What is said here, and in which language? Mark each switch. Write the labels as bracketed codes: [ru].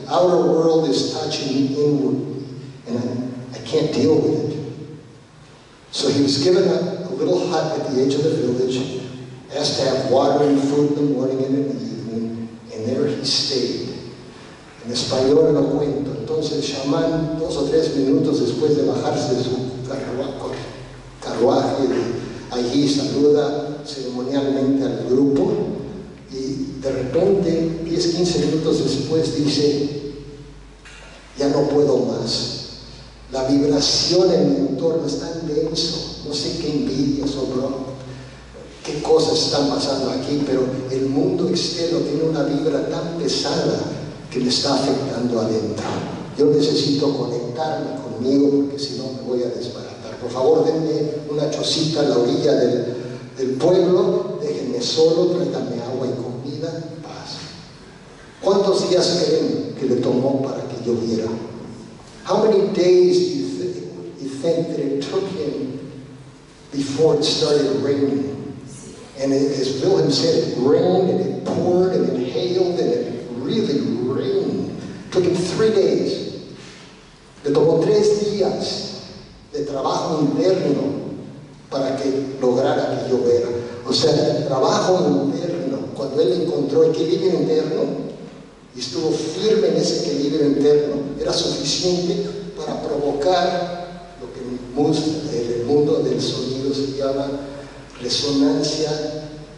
[en] Outer world is touching me inward, and I can't deal with it. So he was given a little hut at the edge of the village, asked to have water and food in the morning and in the evening, and there he stayed. [es] En español lo cuento. Entonces el chamán, dos o tres minutos después de bajarse de su carruaje, allí saluda ceremonialmente al grupo, y de repente, 10, 15 minutos después, dice, ya no puedo más. La vibración en mi entorno es tan denso, no sé qué envidia sobró, qué cosas están pasando aquí, pero el mundo externo tiene una vibra tan pesada que me está afectando adentro. Yo necesito conectarme conmigo porque si no me voy a desbaratar. Por favor, denme una chocita a la orilla del pueblo, déjenme solo, tráiganme agua y comida, paz. ¿Cuántos días creen que le tomó para que lloviera? [en] How many days do you think that it took him before it started raining? And it, as Wilhelm said, it rained and it poured and it hailed and it really rained. It took him 3 days. [es] Le tomó 3 días de trabajo interno para que lograra que lloviera. O sea, el trabajo interno, cuando él encontró equilibrio interno, y estuvo firme en ese equilibrio interno, era suficiente para provocar lo que en el mundo del sonido se llama resonancia.